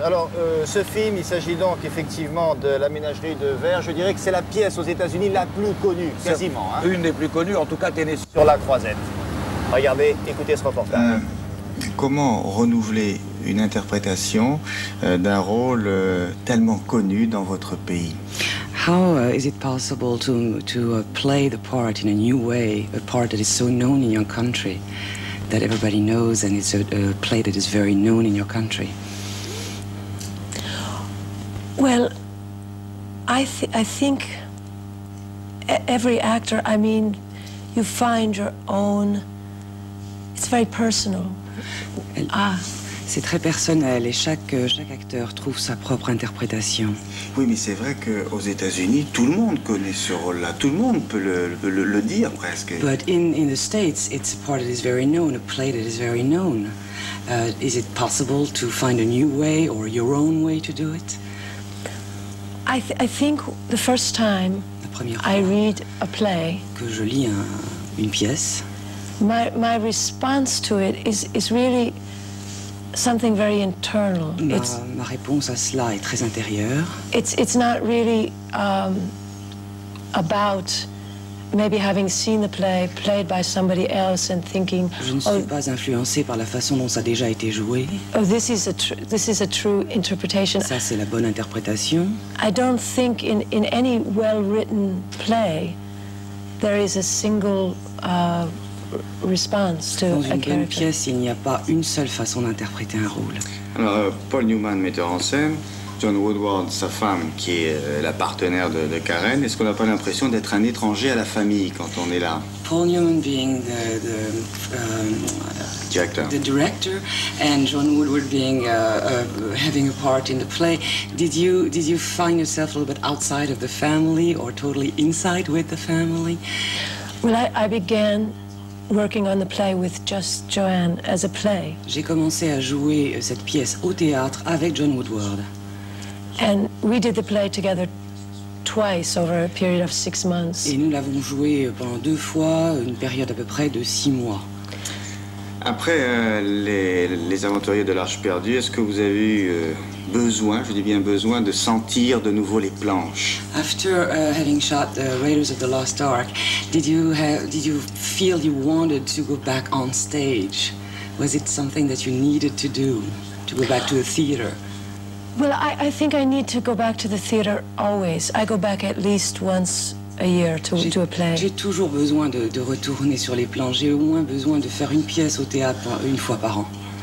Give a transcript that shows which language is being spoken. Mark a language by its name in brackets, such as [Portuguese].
[French] Alors, ce film, il s'agit donc effectivement de la ménagerie de verre. Je dirais que c'est la pièce aux États-Unis la plus connue, quasiment. Hein. Une des plus connues, en tout cas, tenez sur la croisette. Regardez, écoutez ce reportage. Comment renouveler une interprétation d'un rôle tellement connu dans votre pays? [English] How is it possible to play the part in a new way, a part that is so known in your country, that everybody knows, and it's a play that is very known in your country? Well, I think every actor, I mean, you find your own. It's very personal. [French] C'est très personnel et chaque acteur trouve sa propre interprétation. Oui, mais c'est vrai qu'aux États-Unis, tout le monde connaît ce rôle-là. Tout le monde peut le dire presque. [English] But in the States, it's a part that is very known, a play that is very known. Is it possible to find a new way or your own way to do it? I think the first time I read a play, [French] que je lis une pièce, [English] my response to it is really something very internal. [French] Ma réponse à cela est très intérieure. [English] It's not really about maybe having seen the play played by somebody else and thinking. [French] Je ne suis pas influencé par la façon dont ça a déjà été joué. [English] Oh, this is a true interpretation. [French] Ça, c'est la bonne interprétation. [English] I don't think in any well-written play there is a single response to [French] dans une bonne pièce, il n'y a pas une seule façon d'interpréter un rôle. Alors, Paul Newman, metteur en scène, John Woodward, sa femme, qui est la partenaire de Karen, est-ce qu'on n'a pas l'impression d'être un étranger à la famille quand on est là? [English] Paul Newman being the director, and John Woodward being having a part in the play, did you find yourself a little bit outside of the family or totally inside with the family? Well, I began working on the play with just Joanne as a play. [French] J'ai commencé à jouer cette pièce au théâtre avec John Woodward. [English] And we did the play together twice over a period of 6 months. [French] Et nous l'avons joué pendant deux fois, une période à peu près de 6 mois. Après les aventuriers de l'Arche perdue, est-ce que vous avez eu besoin, je dis bien besoin, de sentir de nouveau les planches? [English] After having shot the Raiders of the Lost Ark, did you feel you wanted to go back on stage? Was it something that you needed to do, to go back to the theater? Well, I think I need to go back to the theater always. I go back at least once a year to a play. [French] J'ai toujours besoin de retourner sur les planches. J'ai au moins besoin de faire une pièce au théâtre une fois par an.